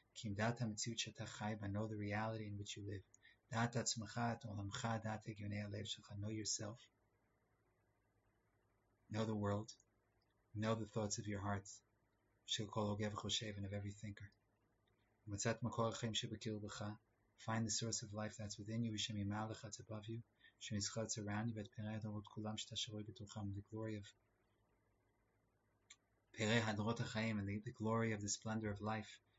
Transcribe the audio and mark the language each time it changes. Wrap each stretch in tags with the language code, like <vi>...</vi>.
<he>כי אם דעת המציאות שאתה חי בה,</he> <en>know the reality in which you live.</en> <he>דעת עצמך, את עולמך, דעת הגיוני הלב שלך,</he> <en>know yourself. Know the world. Know the thoughts of your heart.</en> <he>של כל הוגה וחושב</he> <en>and of every thinker.</en> <he>מצאת מקור החיים שבקרבך.</he> <en>Find the source of life that's within you,</en> <he>ושממעל לך,</he> <en>it's above you.</en> <he>שמזכות,</he> <en>it's around you,</en> <he>ואת פרי הדורות כולם שאתה שרוי בתוכה,</he> <en>and the glory of</en> <he>פרי הדורות החיים,</he> <en>and the glory of the splendor of life.</en>